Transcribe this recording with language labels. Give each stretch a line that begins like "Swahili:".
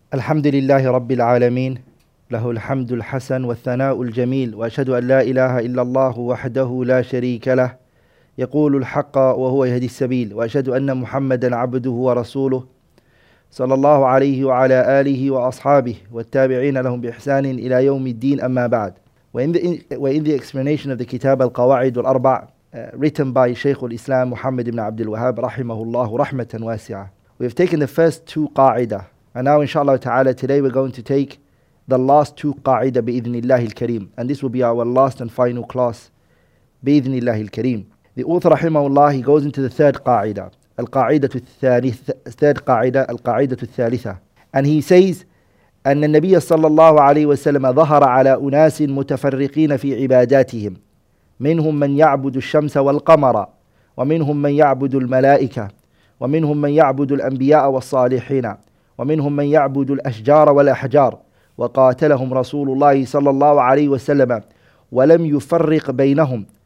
Arabic: الحمد لله رب العالمين له الحمد الحسن والثناء الجميل وأشهد أن لا إله إلا الله وحده لا شريك له يقول الحق وهو يهدي السبيل وأشهد أن محمدا عبده ورسوله صلى الله عليه وعلى آله وأصحابه والتابعين لهم بإحسان إلى يوم الدين أما بعد. وإن
English: the explanation of the
Arabic: كتاب القواعد والأربع
English: written by
Arabic: شيخ الإسلام محمد بن عبد الوهاب رحمه الله رحمة واسعة.
English: We have taken the first two qa'idah. And now, inshallah ta'ala, today we're going to take the last two qa'idah bi-idhnillahi al-kareem. And this will be our last and final class bi-idhnillahi al-kareem. The author, rahimahullah, he goes into the third qa'idah. Al-qa'idah al-thalitha. And he says,
Arabic: أن النبي صلى الله عليه وسلم ظهر على أناس متفرقين في عباداتهم. منهم من يعبد الشمس والقمر. ومنهم من يعبد الملائكة. ومنهم من يعبد الأنبياء والصالحين ومنهم من يعبد الأشجار والأحجار وقاتلهم رسول الله صلى الله عليه وسلم ولم يفرق بينهم